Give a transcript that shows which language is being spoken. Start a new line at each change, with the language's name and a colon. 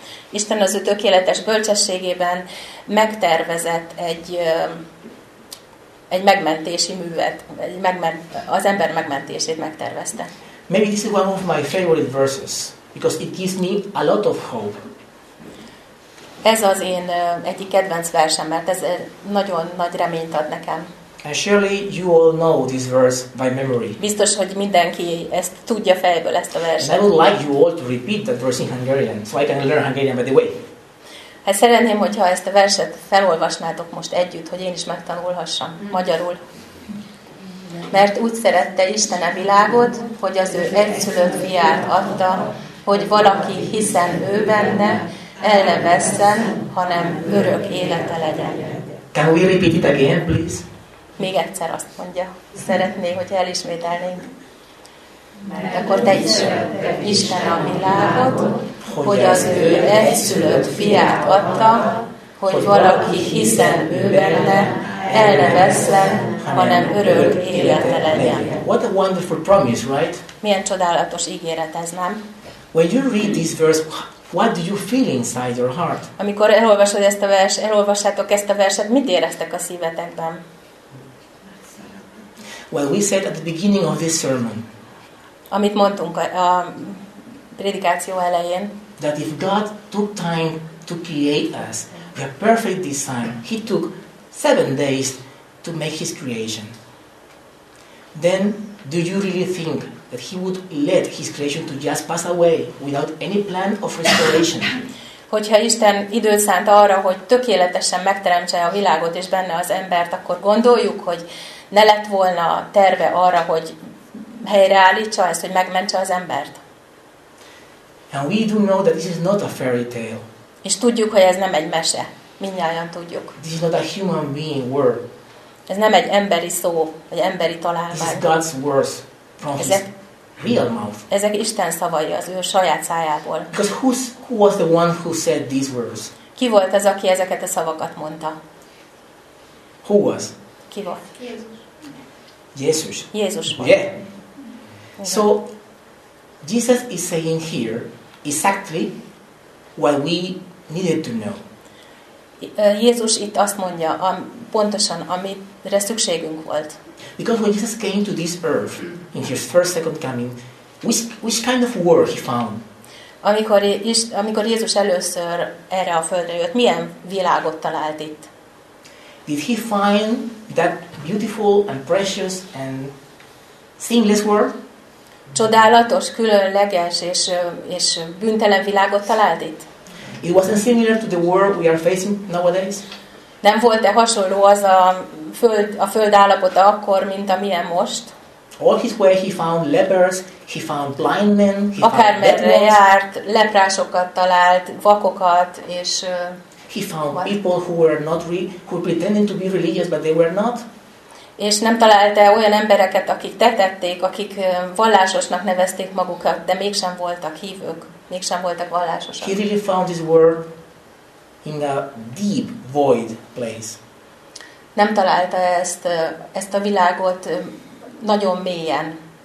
Hungarian: Isten az ő tökéletes bölcsességében megtervezett egy megmentési művet, az ember megmentését megtervezte.
English: Maybe this is one of my favorite verses, because it gives me a lot of hope.
Hungarian: Ez az én egyik kedvenc versem, mert ez nagyon nagy reményt ad nekem.
English: And surely you all know this verse by memory.
Hungarian: Biztos, hogy mindenki ezt tudja fejből, ezt a verset.
English: I would like you all to repeat that verse in Hungarian, so I can learn Hungarian by the way.
Hungarian: Hát szeretném, hogyha ezt a verset felolvasnátok most együtt, hogy én is megtanulhassam magyarul. Mert úgy szerette Isten a világot, hogy az ő egyszülött fiát adta, hogy valaki hiszen ő benne, el ne vesszen, hanem örök élete legyen.
English: Can we repeat it again, please?
Hungarian: Még egyszer azt mondja. Szeretné, hogy elismételnénk. Mert akkor te is Isten a világot, hogy az ő egyszülött fiát adta, hogy valaki hiszen ő benne, el ne vesszen, hanem örök élete legyen.
English: What a wonderful promise, right?
Hungarian: Milyen csodálatos ígéret ez, nem?
English: When you read this verse, what do you feel inside your heart?
Hungarian: Amikor elolvasod ezt a verset, elolvassátok ezt a verset, mit éreztek a szívetekben?
English: Well, we said at the beginning of this sermon.
Hungarian: Amit mondtunk a prédikáció elején.
English: That if God took time to create us, we are perfect design. He took 7 days to make His creation. Then, do you really think that He would let His creation to just pass away without any plan of restoration?
Hungarian: Hogyha Isten időt szánt arra, hogy tökéletesen megteremtse a világot és benne az embert, akkor gondoljuk, hogy ne lett volna terve arra, hogy helyreállítsa ezt, hogy megmentse az embert.
English: And we do know that this is not a fairy tale.
Hungarian: És tudjuk, hogy ez nem egy mese. Mindnyájan tudjuk.
English: This is not a human being word.
Hungarian: Ez nem egy emberi szó, vagy emberi találmány.
English: This is God's words from
Hungarian: ezek,
English: his real mouth.
Hungarian: Ezek Isten szavai az ő saját szájából.
English: Because who was the one who said these words?
Hungarian: Ki volt az, aki ezeket a szavakat mondta?
English: Who was?
Hungarian: Ki volt? Jézus. Jézus. Jézus.
English: Yeah. So, Jesus is saying here exactly what we needed to know.
Hungarian: Jézus itt azt mondja, pontosan, amire szükségünk volt.
English: Because when Jesus came to this earth in his first second coming, which kind of world he found?
Hungarian: Amikor Jézus először erre a földre jött, milyen világot talált itt?
English: Did he find that beautiful and precious and seamless world?
Hungarian: Csodálatos, különleges és bűntelen világot talált itt?
English: It wasn't similar to the world we are facing nowadays.
Hungarian: Nem volt-e hasonló az a föld állapota akkor, mint amilyen most?
English: All his way he found lepers, he found blind men,
Hungarian: akármerre járt, leprásokat talált, vakokat és
English: he found people who were not who pretending to be religious but they were not.
Hungarian: És nem találta olyan embereket, akik tetették, akik vallásosnak nevezték magukat, de mégsem voltak hívők, mégsem voltak vallásosak.
English: He really found his world in a deep void place.
Hungarian: Nem találta ezt a világot nagyon mélyen.